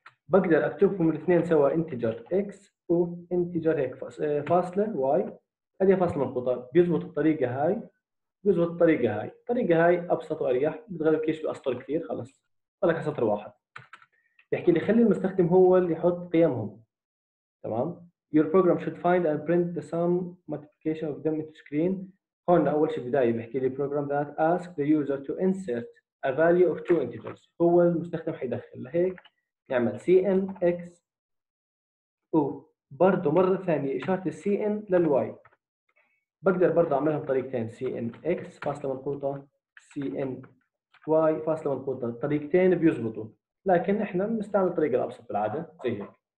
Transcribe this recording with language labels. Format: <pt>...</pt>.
<ar>بقدر اكتبهم الاثنين سوا انتجر x وانتجر هيك فاصله y هذه فاصله مربوطه بيزبط الطريقه هاي بيزبط الطريقه هاي. الطريقه هاي ابسط واريح بتغلبكش باسطر كثير خلص لك على سطر واحد. بيحكي لي خلي المستخدم هو اللي يحط قيمهم تمام.</ar> <en>Your program should find and print the sum multiplication of them into screen.</en> <ar>هون اول شيء بدايه بحكي لي</ar> <en>program that ask the user to insert a value of two integers.</en> <ar>هو المستخدم حيدخل لهيك نعمل cn x او برضه مره ثانيه اشاره cn للواي. بقدر برضه اعملهم طريقتين cn x فاصله منقوطه cn y فاصله منقوطه طريقتين بيزبطوا لكن احنا بنستعمل الطريقه الابسط بالعاده زي هيك.</ar>